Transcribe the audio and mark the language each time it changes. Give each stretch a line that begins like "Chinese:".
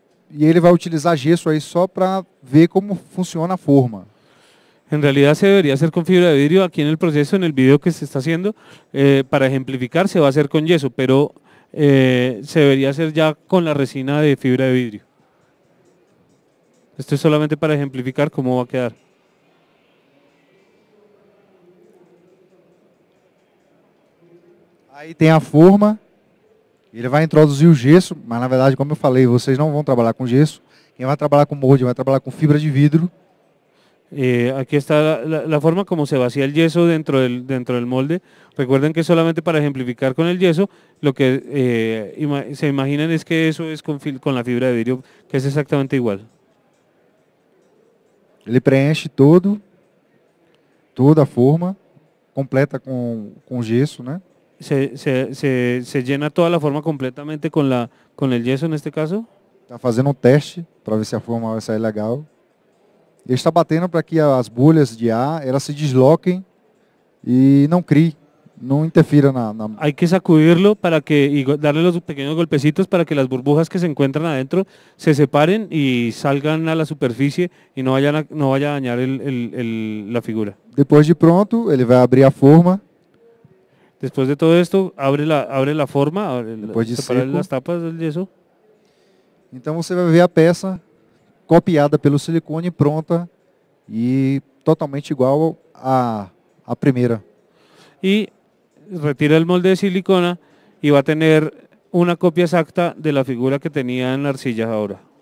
Portuguese: e ele vai utilizar gesso aí só para ver como funciona a forma.
Spanish: En realidad se debería hacer con fibra de vidrio aquí en el proceso, en el video que se está haciendo, para ejemplificar se va a hacer con yeso, pero se debería hacer ya con la resina de fibra de vidrio. Esto es solamente para ejemplificar cómo va a quedar. Ahí tiene la forma, él va a introducir el gesso, pero en realidad, como yo falei, ustedes no van a trabajar con gesso, quien va a trabajar con molde va a trabajar con fibra de vidrio. Aquí está la forma como se vacía el yeso dentro del molde. Recuerden que solamente para ejemplificar con el yeso, lo que se imaginan es que eso es con la fibra de vidrio, que es exactamente igual.
Portuguese: Ele preenche todo, toda a forma, completa com gesso, né?
Spanish: Se llena toda la forma completamente con el yeso, en este caso.
Portuguese: Está fazendo um teste para ver se a forma vai sair legal. Ele está batendo para que as bolhas de ar elas se desloquem e não crie, não interfira na.
Spanish: Hay que sacudirlo para que y darle los pequeños golpecitos para que las burbujas que se encuentran adentro se separen y salgan a la superficie y no vaya a dañar la figura.
Portuguese: Depois de pronto, ele vai abrir a forma.
Spanish: Después de todo esto, abre la forma, separa las tapas del yeso.
Portuguese: Então você vai ver a peça copiada pelo silicone, pronta e totalmente igual à primeira. E retira o molde de silicona e vai ter uma cópia exacta da figura que tinha na arcilla agora.